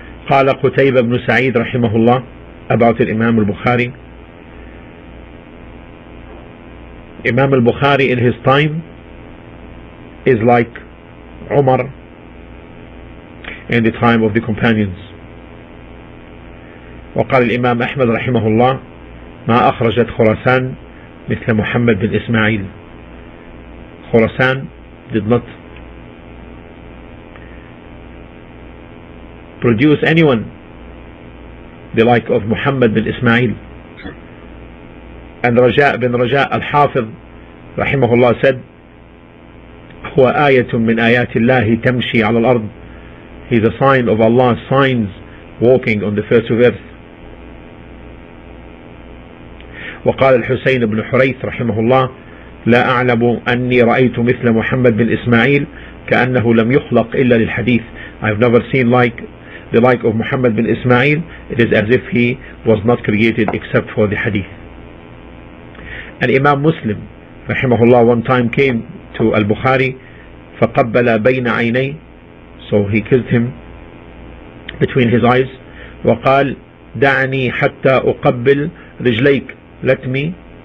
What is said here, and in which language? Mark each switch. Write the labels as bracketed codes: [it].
[ar] قال قتيبة بن سعيد رحمه الله [en] about Imam al-Bukhari. Imam al-Bukhari in his time is like Umar in the time of the companions. [ar] وقال الإمام أحمد رحمه الله ما أخرجت خراسان مثل محمد بن إسماعيل. [en] Khorasan did not produce anyone the like of Muhammad bin Ismail. And Raja bin Raja al-Hafidh rahimahullah said, [ar] هو آية من آيات الله تمشي على الأرض. [en] He is a sign of Allah's signs walking on the face of earth. [ar] وقال الحسين بن حريث [en] rahimahullah, [ar] لا أعلم أني رأيت مثل محمد بن إسماعيل كأنه لم يخلق إلا للحديث. [en] I've never seen like the like of Muhammad bin Ismail. It is as if he was not created except for the hadith. And Imam Muslim [ar] رحمه الله [en] one time came to Al-Bukhari [ar] فقبل بين عيني, [en] so he kissed him between his eyes, [ar] وقال دعني حتى أقبل رجليك, [en] let me